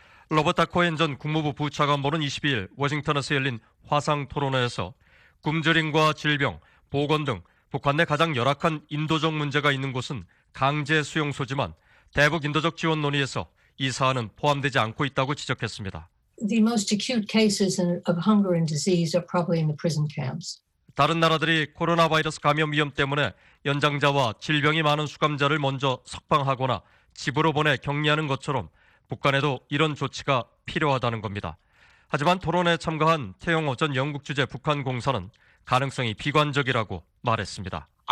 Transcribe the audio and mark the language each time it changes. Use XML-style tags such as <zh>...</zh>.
<ko>로버트 다코엔 전 국무부 부차관보는 22일 워싱턴에서 열린 화상토론회에서 굶주림과 질병, 보건 등 북한 내 가장 열악한 인도적 문제가 있는 곳은 강제 수용소지만 대북 인도적 지원 논의에서 이 사안은 포함되지 않고 있다고 지적했습니다.</ko> <en>The most acute cases of hunger and disease are probably in the prison camps.</en> <ko>다른 나라들이 코로나 바이러스 감염 위험 때문에 연장자와 질병이 많은 수감자를 먼저 석방하거나 집으로 보내 격리하는 것처럼 북한에도 이런 조치가 필요하다는 겁니다. 하지만 토론에 참가한 태영호 전 영국 주재 북한 공사는 가능성이 비관적이라고 말했습니다.</ko>